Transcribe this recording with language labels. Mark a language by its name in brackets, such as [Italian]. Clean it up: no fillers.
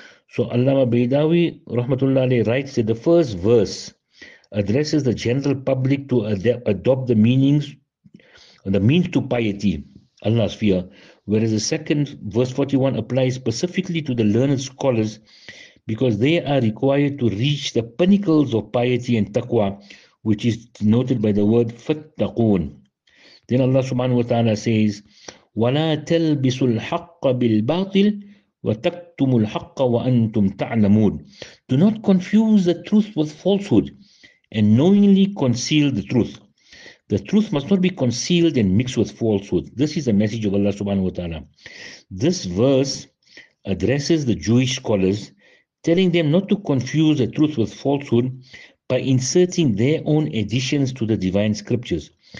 [English] So Allama Baydawi Rahmatullah Alayhi writes that the first verse addresses the general public to adopt the meanings, the means to piety, Allah's fear, whereas the second verse 41 applies specifically to the learned scholars because they are required to reach the pinnacles of piety and taqwa, which is denoted by the word fattaqun. Then Allah subhanahu wa ta'ala says, [Arabic] وَلَا تَلْبِسُ الْحَقَّ بِالْبَاطِلِ وَتَكْتُمُ الْحَقَّ وَأَنْتُمْ تَعْلَمُونَ. [English] Do not confuse the truth with falsehood and knowingly conceal the truth. The truth must not be concealed and mixed with falsehood. This is the message of Allah subhanahu wa ta'ala. This verse addresses the Jewish scholars, telling them not to confuse the truth with falsehood by inserting their own additions to the divine scriptures.